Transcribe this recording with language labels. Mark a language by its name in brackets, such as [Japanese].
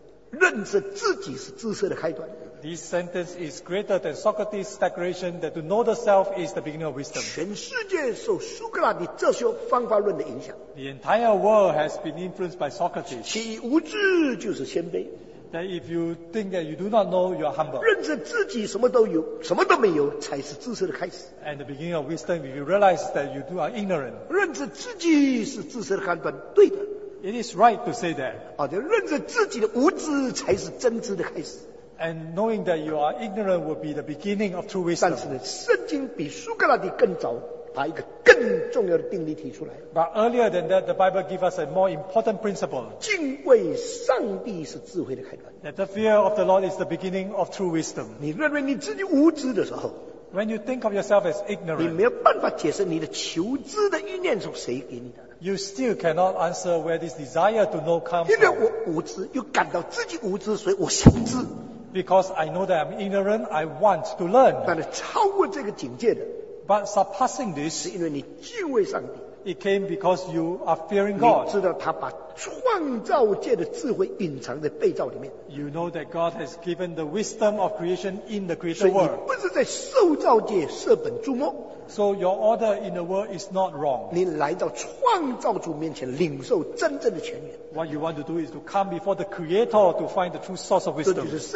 [Chinese] 这句话早过苏格拉底所讲的这个认识自己是知识的开端。 [English] This sentence is greater than Socrates' declaration that to know the self is the beginning of wisdom. [Chinese] 全世界受苏格拉底这些方法论的影响。 [English] The entire world has been influenced by Socrates. [Chinese] 岂无知就是谦卑。 [English] That if you think that you do not know, you are humble. [Chinese] 认识自己什么都有， 什么都没有才是知识的开始。 [English] And the beginning of wisdom, if you realize that you do are ignorant. [Chinese] 认识自己是知识的开端， 对的。 [English] It is right to say that. [Chinese] 认识自己的无知才是真知的开始。 [English] And knowing that you are ignorant will be the beginning of true wisdom. [Chinese] 但是呢， 圣经比苏格拉底更早把一个更重要的定律提出来。 [English] But earlier than that, the Bible gives us a more important principle. [Chinese] 敬畏上帝是智慧的开端。 [English] That the fear of the Lord is the beginning of true wisdom. [Chinese] 你认为你自己无知的时候， [English] When you think of yourself as ignorant, [Chinese] 你没有办法解释你的求知的意念是谁给你的。 [English] You still cannot answer where this desire to know comes from. [Chinese] 因为我无知， 又感到自己无知， 所以我想知。 [English] Because I know that I'm ignorant, I want to learn. [Chinese] 但是超过这个境界的， [English] But surpassing this, [Chinese] 是因为你敬畏上帝。 [English] It came because you are fearing God. [Chinese] 你知道他把创造界的智慧隐藏在被造里面。 [English] You know that God has given the wisdom of creation in the created world. [Chinese] 所以你不是在受造界舍本逐末。 [English] So your order in the world is not wrong. [Chinese] 你来到创造主面前领受真正的泉源。 [English] What you want to do is to come before the Creator to find the true source of wisdom.